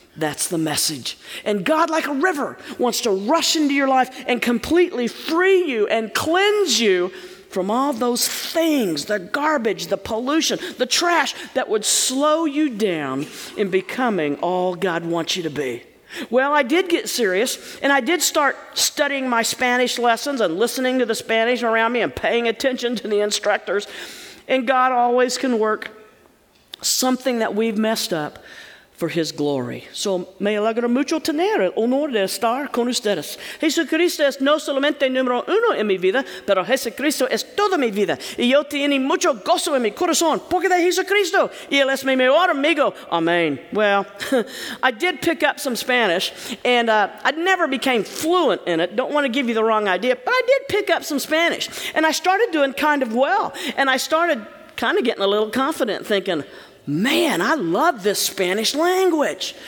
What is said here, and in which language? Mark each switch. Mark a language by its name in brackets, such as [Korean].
[English] That's the message. And God, like a river, wants to rush into your life and completely free you and cleanse you from all those things, the garbage, the pollution, the trash that would slow you down in becoming all God wants you to be. Well, I did get serious, and I did start studying my Spanish lessons and listening to the Spanish around me and paying attention to the instructors. And God always can work something that we've messed up for His glory. [Spanish] So, me alegra mucho tener el honor de estar con ustedes. Jesucristo es no solamente número uno en mi vida, pero Jesucristo es toda mi vida. Y yo tiene mucho gozo en mi corazón porque de Jesucristo. Y él es mi mejor amigo. Amen. [English] Well, I did pick up some Spanish, and I never became fluent in it. Don't want to give you the wrong idea, but I did pick up some Spanish. And I started doing kind of well. And I started kind of getting a little confident, thinking, man, I love this Spanish language.